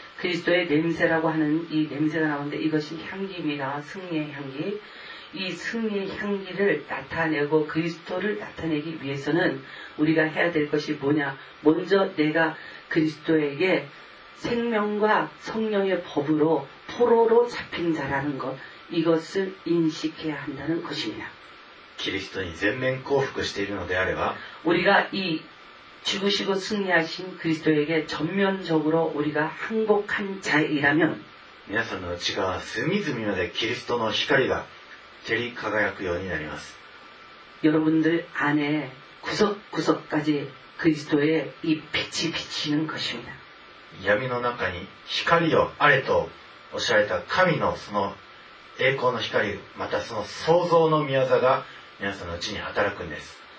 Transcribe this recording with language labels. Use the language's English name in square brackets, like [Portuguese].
[Korean] 그리스도의냄새라고하는이냄새가나오는데이것이향기입니다승리의향기이승리의향기를나타내고그리스도를나타내기위해서는우리가해야될것이뭐냐먼저내가그리스도에게생명과성령의법으로포로로잡힌자라는것이것을인식해야한다는것입니다 그리스도에전면 [Japanese] 降伏しているのであれば [Korean] 우리가이죽으시고승리하신그리스도에게전면적으로우리가항복한자이라면 [Japanese] 皆さんの内側隅々までキリストの光が照り輝くようになります [Korean] 여러분들안에구석구석까지그리스도의이빛이비치는것입니다 [Japanese] 闇の中に光をあれとおっしゃられた神のその栄光の光またその創造の御業が皆さんの内に働くんです